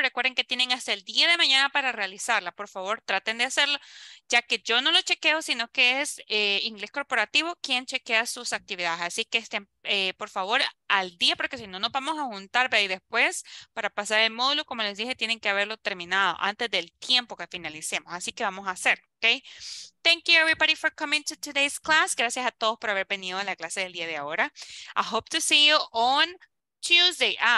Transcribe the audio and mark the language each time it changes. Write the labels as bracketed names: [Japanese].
[Spanish] Recuerden que tienen hasta el día de mañana para realizarla. Por favor, traten de hacerlo, ya que yo no lo chequeo, sino que es Inglés Corporativo quien chequea sus actividades. Así que estén, por favor, al día, porque si no, nos vamos a juntar. Y después, para pasar el módulo, como les dije, tienen que haberlo terminado antes del tiempo que finalicemos. Así que vamos a hacer, ¿ok? [English] Thank you, everybody, for coming to today's class. [Spanish] Gracias a todos por haber venido a la clase del día de ahora. [English] I hope to see you on Tuesday.